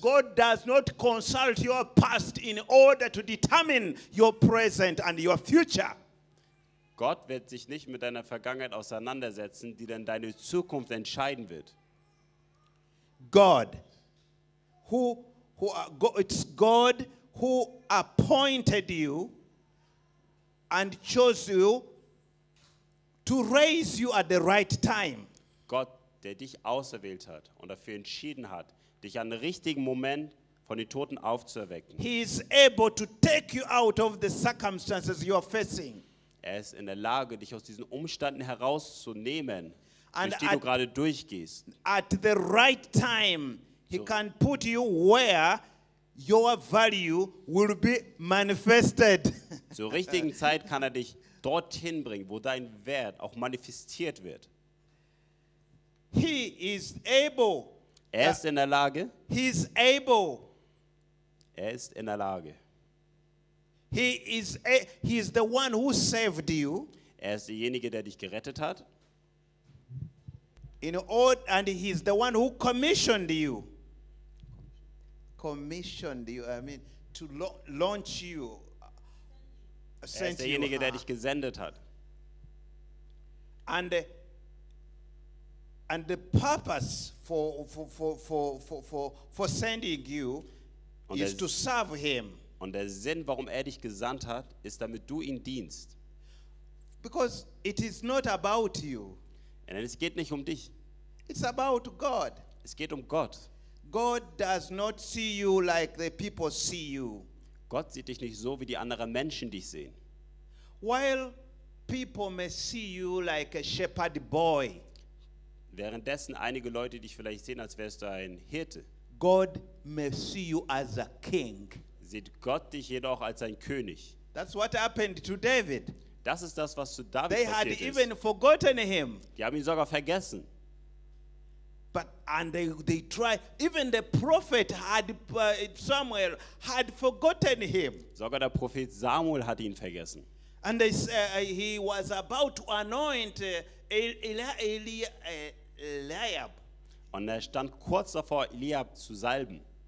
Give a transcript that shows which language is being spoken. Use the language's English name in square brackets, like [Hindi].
[English] God does not consult your past in order to determine your present and your future. [German] Gott wird sich nicht mit deiner Vergangenheit auseinandersetzen, die dann deine Zukunft entscheiden wird. [English] God. Who it's God who appointed you and chose you to raise you at the right time. [German] Gott, der dich auserwählt hat und dafür entschieden hat, dich an den richtigen Moment von den Toten aufzuerwecken. [English] He is able to take you out of the circumstances you are facing. [German] Er ist in der Lage, dich aus diesen Umständen herauszunehmen, durch die du gerade durchgehst. [English] At the right time. He can put you where your value will be manifested. [German] Zur richtigen Zeit kann er dich dorthin bringen, wo dein Wert auch manifestiert wird. [English] He is able. [German] Er ist in der Lage. [English] He is able. [German] Er ist in der Lage. [English] He is the one who saved you. [German] Er ist derjenige, der dich gerettet hat. [English] And he is the one who commissioned you. Commissioned you, I mean, to launch you. [German] Sent er ist derjenige, der dich gesendet hat. [English] And the purpose for sending you is to serve him. [German] Und der Sinn, warum er dich gesandt hat, ist, damit du ihn dienst. [English] Because it is not about you. [German] Denn es geht nicht um dich. [English] It's about God. [German] Es geht um Gott. [English] God does not see you like the people see you. [German] Gott sieht dich nicht so, wie die anderen Menschen dich sehen. [English] While people may see you like a shepherd boy. [German] Währenddessen einige Leute dich vielleicht sehen, als wärst du ein Hirte. [English] God may see you as a king. [German] Sieht Gott dich jedoch als ein König. [English] That's what happened to David. [German] Das ist das, was zu David passiert ist. [English] They had even forgotten him. [German] Die haben ihn sogar vergessen. [English] But they try. Even the prophet had Samuel had forgotten him. [German] Sogar der Prophet Samuel hat ihn vergessen. [English] And they say he was about to anoint Eliab. [German] Und er stand kurz davor, Eliab zu salben.